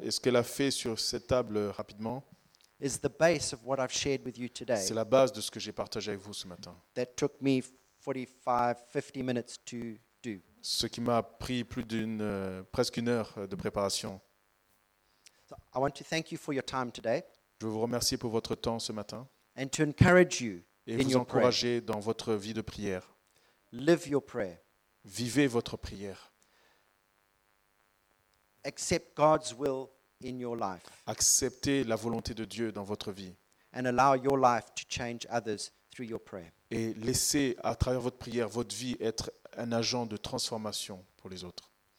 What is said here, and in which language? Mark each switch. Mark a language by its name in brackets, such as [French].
[French] et ce qu'elle a fait sur cette table rapidement, [English] is the base of what I've shared with you today. [French] C'est la base de ce que j'ai partagé avec vous ce matin. [English] That took me 45-50 minutes to do. [French] Ce qui m'a pris plus d'une presque une heure de préparation. [English] So I want to thank you for your time today. [French] Je veux vous remercier pour votre temps ce matin. [English] And to encourage you [French] et vous encourager dans votre vie de prière. [English] Live your prayer. [French] Vivez votre prière. [English] Accept God's will in your life. [French] Acceptez la volonté de Dieu dans votre vie. [English] And allow your life to change others through your prayer. [French] Et laissez à travers votre prière votre vie être un agent de transformation pour les autres.